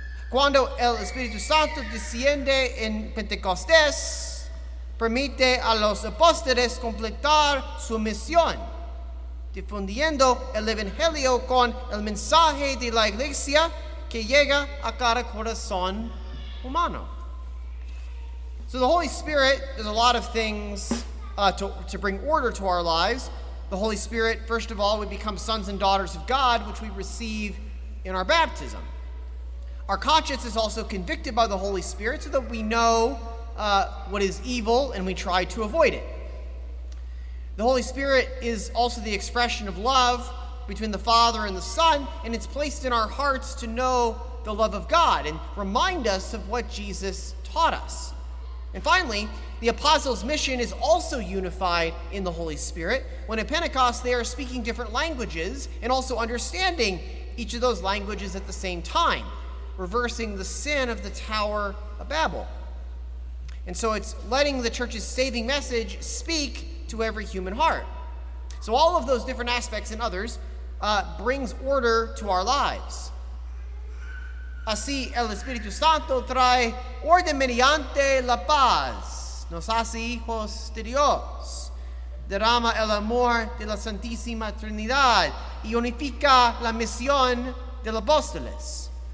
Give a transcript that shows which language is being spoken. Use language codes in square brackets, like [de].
[es] Cuando el Espíritu Santo desciende en Pentecostés, permite a los apóstoles completar su misión, difundiendo el Evangelio con el mensaje de la iglesia que llega a cada corazón humano. [en] So the Holy Spirit does a lot of things to bring order to our lives. The Holy Spirit, first of all, we become sons and daughters of God, which we receive in our baptism. Our conscience is also convicted by the Holy Spirit so that we know what is evil and we try to avoid it. The Holy Spirit is also the expression of love between the Father and the Son, and it's placed in our hearts to know the love of God and remind us of what Jesus taught us. And finally, the apostles' mission is also unified in the Holy Spirit. When at Pentecost, they are speaking different languages and also understanding each of those languages at the same time, reversing the sin of the Tower of Babel. And so it's letting the church's saving message speak to every human heart. So all of those different aspects and others brings order to our lives. [es] Así el Espíritu Santo trae orden mediante la paz, nos hace hijos de Dios, derrama el amor de la Santísima Trinidad y unifica la misión de los apóstoles.